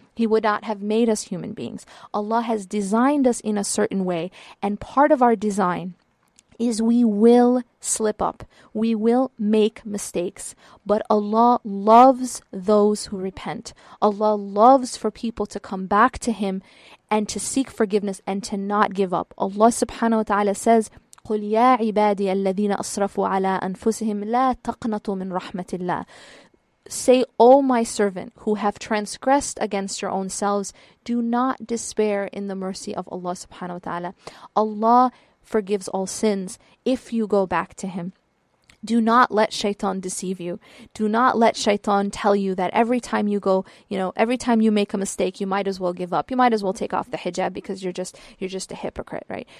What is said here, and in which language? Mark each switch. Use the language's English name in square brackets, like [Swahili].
[English] He would not have made us human beings. Allah has designed us in a certain way. And part of our design is we will slip up. We will make mistakes. But Allah loves those who repent. Allah loves for people to come back to Him and to seek forgiveness and to not give up. Allah subhanahu wa ta'ala says, [Arabic] قُلْ يَا عِبَادِيَ الَّذِينَ أَصْرَفُوا عَلَىٰ أَنفُسِهِمْ لَا تَقْنَطُوا مِنْ رَحْمَةِ اللَّهِ. [English] Say, O my servant, who have transgressed against your own selves, do not despair in the mercy of Allah subhanahu wa ta'ala. Allah forgives all sins if you go back to Him. Do not let Shaitan deceive you. Do not let Shaitan tell you that every time you go, you know, every time you make a mistake, you might as well give up. You might as well take off the hijab because you're just a hypocrite, right?